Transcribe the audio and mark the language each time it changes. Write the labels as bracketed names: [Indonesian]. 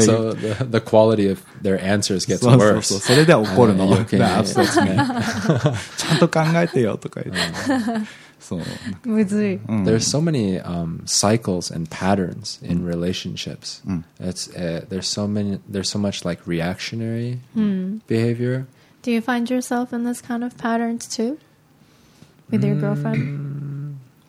[English] So the quality of their answers gets worse. [Japanese] それで怒るの。 [English] Absolutely. [Japanese] ちゃんと考えてよとか言って。そう。むずい。 [English] There's so many cycles and patterns in relationships. There's so much like reactionary behavior. Do you find yourself in this kind of patterns too? With your girlfriend?